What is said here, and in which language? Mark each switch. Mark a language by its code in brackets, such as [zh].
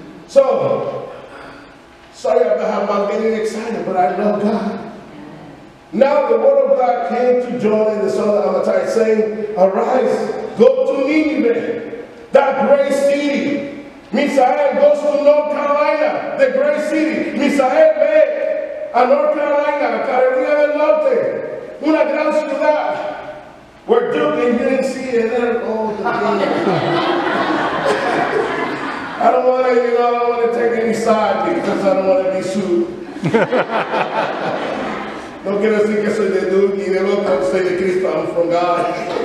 [en] So, sorry about getting excited, but I love God. Now the word of God came to Jonah, the son of Amittai, saying, arise, go to Nineveh, that great city. Misael goes to North Carolina, the great city. [es] Misael ve a North Carolina, Carolina del Norte, una gran ciudad. [en] We're joking, you didn't see it there. Oh, I don't want to take any side because I don't want to be sued. [es] No quiero decir que soy de Duke ni de loco, soy de Cristo, [en] I'm from God.